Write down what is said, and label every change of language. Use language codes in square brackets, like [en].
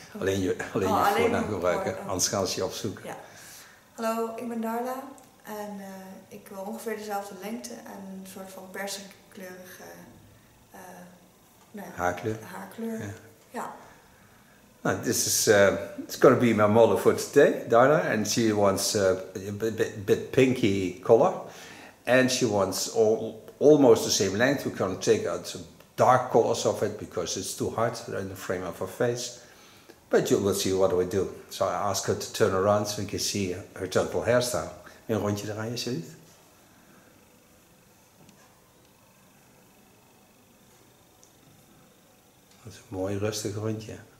[nl] Alleen je voornaam gebruiken, anders gaan ze je opzoeken. Ja. Hallo, ik ben Darla en ik wil ongeveer dezelfde lengte en een soort van persikkleurige haarkleur. Ja. Nou, [en] this is it's gonna be my model for today, Darla, and she wants a bit pinky color, and she wants almost the same length. We can take out some dark colors of it because it's too hard in the frame of her face, but you will see what we do. So I ask her to turn around so we can see her total hairstyle. [nl] Een rondje draaien, alsjeblieft. Dat is een mooi rustig rondje.